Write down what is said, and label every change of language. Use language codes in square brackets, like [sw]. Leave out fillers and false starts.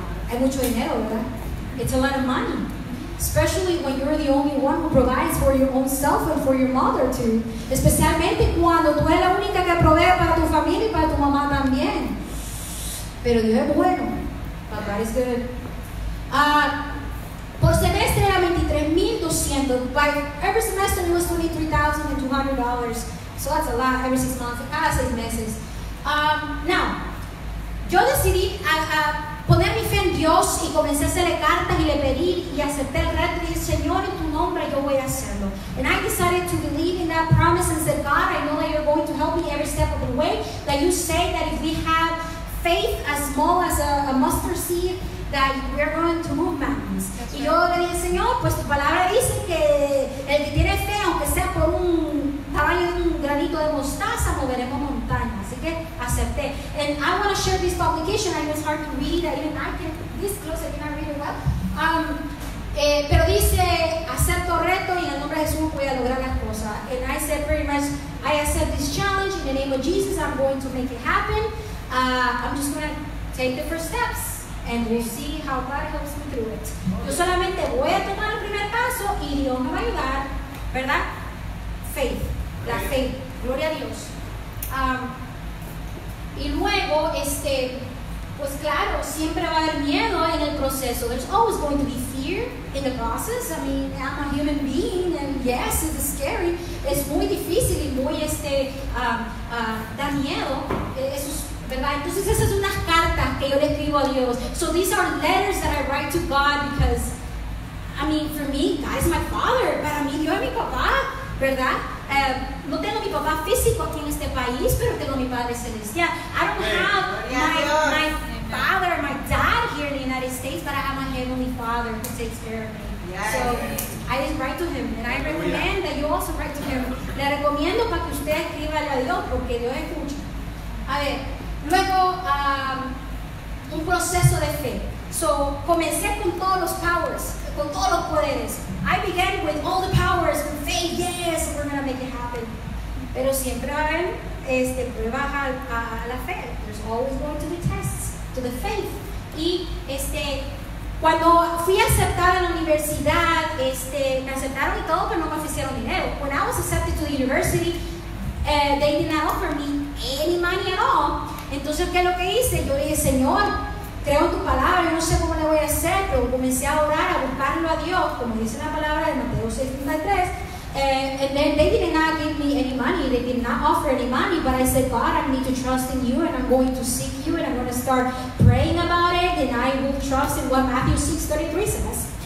[es] Hay mucho dinero, ¿verdad? [en] It's a lot of money. Especially when you're the only one who provides for your own self and for your mother too. [es] Especialmente cuando tú eres la única que provee para tu familia y para tu mamá también. Pero Dios es bueno. [en] God is good. [es] Por semestre era 23,200. [en] By every semester it was $23,200. So that's a lot. Every 6 months, [es] cada 6 meses. Now, yo decidí poner mi fe en Dios y comencé a hacerle cartas y le pedí y acepté el reto y dije, Señor, en tu nombre yo voy a hacerlo. [en] And I decided to believe in that promise and said, God, I know that you're going to help me every step of the way. That you say that if we have faith as small as a mustard seed, that we're going to move mountains. [es] Right. Y yo le dije, Señor, pues tu palabra dice que el que tiene fe, aunque sea por un tamaño de un granito de mostaza, moveremos montañas. Así que acepté. [en] And I want to share this publication. I know it's hard to read. Even I can, this close, I cannot read it well. [es] Pero dice, acepto reto y en el nombre de Jesús voy a lograr las cosas. [en] And I said, pretty much, I accept this challenge. In the name of Jesus, I'm going to make it happen. I'm just going to take the first steps. And we'll see how God helps me through it. [es] Yo solamente voy a tomar el primer paso y Dios me va a ayudar. ¿verdad? Faith, la fe, gloria a Dios. Y luego, pues claro, siempre va a haber miedo en el proceso. [en] There's always going to be fear in the process. I mean, I'm a human being, and yes, it's scary. [es] Es muy difícil y muy, da miedo. Eso es, ¿verdad? Entonces, esas son las cartas que yo le escribo a Dios. [en] So these are letters that I write to God because, I mean, for me, God is my father. [es] Para mí, Dios es mi papá, ¿verdad? No tengo mi papá físico aquí en este país, pero tengo mi padre celestial. [en] I don't have my father, my dad here in the United States, but I have my heavenly father who takes care of me. So I just write to him, and I recommend that you also write to him. [es] Le recomiendo para que usted escriba a Dios, porque Dios escucha. A ver, luego, un proceso de fe. So, comencé con todos los powers, con todos los poderes. [en] I began with all the powers, with faith, yes, we're going to make it happen. [es] Pero siempre va a haber pruebas a la fe. [en] There's always going to be tests to the faith. [es] Y cuando fui aceptada en la universidad, me aceptaron y todo, pero no me ofrecieron dinero. [en] When I was accepted to the university, they did not offer me any money at all. [es] Entonces, ¿qué es lo que hice? Yo dije, Señor, creo en tu palabra, yo no sé cómo le voy a hacer, pero comencé a orar, a buscarlo a Dios, como dice la palabra de Mateo 6:33. [en] And then they did not give me any money, they did not offer any money, but I said, God, I need to trust in you, and I'm going to seek you, and I'm going to start praying about it, and I will trust in what Matthew 6:33 says.